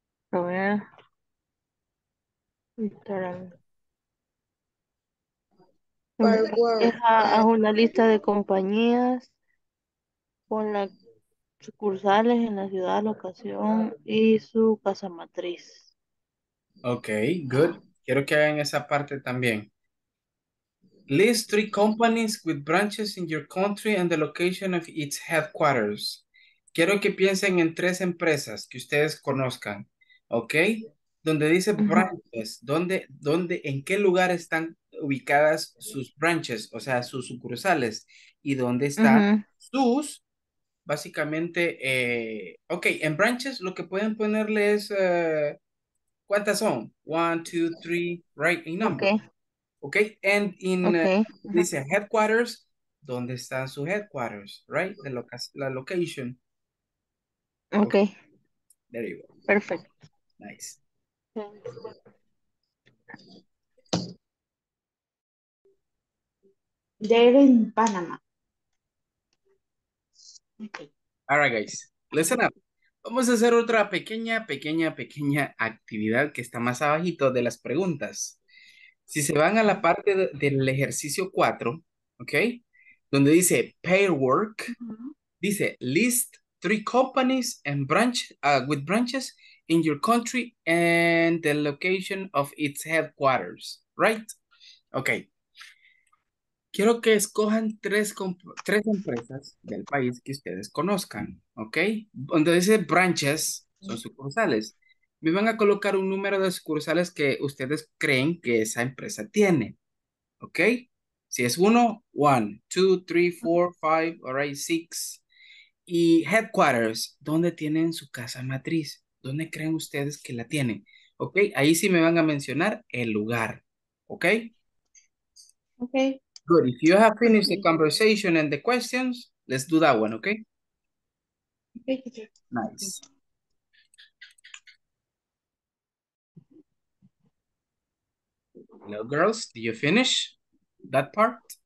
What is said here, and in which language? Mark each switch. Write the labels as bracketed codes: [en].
[es] Haz una lista de compañías con las sucursales en la ciudad, locación y su casa matriz. [en] Ok, good. [es] Quiero que hagan esa parte también. [en] List three companies with branches in your country and the location of its headquarters. [es] Quiero que piensen en tres empresas que ustedes conozcan. Ok, donde dice branches, ¿dónde, en qué lugar están ubicadas sus branches, o sea, sus sucursales, y dónde están sus, básicamente, ok, en branches lo que pueden ponerle es, ¿cuántas son? [en] 1, 2, 3, right, in number. Okay. [es] And in, dice headquarters, ¿dónde están sus headquarters, right? La location. [en] Okay. There you go. Perfect. Nice. They're in Panama. Okay. All right, guys. Listen up. [es] Vamos a hacer otra pequeña actividad que está más abajito de las preguntas. Si se van a la parte del ejercicio 4, ¿ok? Donde dice [en] pair work, dice list three companies and branch with branches in your country and the location of its headquarters, right? [es] Ok. Quiero que escojan tres empresas del país que ustedes conozcan, ¿ok? Donde dice branches, son sucursales. Me van a colocar un número de sucursales que ustedes creen que esa empresa tiene, ¿ok? Si es uno, 1, 2, 3, 4, 5, [en] all right, [es] 6. Y headquarters, ¿dónde tienen su casa matriz? ¿Dónde creen ustedes que la tienen? ¿Ok? Ahí sí me van a mencionar el lugar, ¿ok? [en] Ok. Good. If you have finished the conversation and the questions, let's do that one, okay? Thank you. Nice. Hello, girls. Did you finish that part?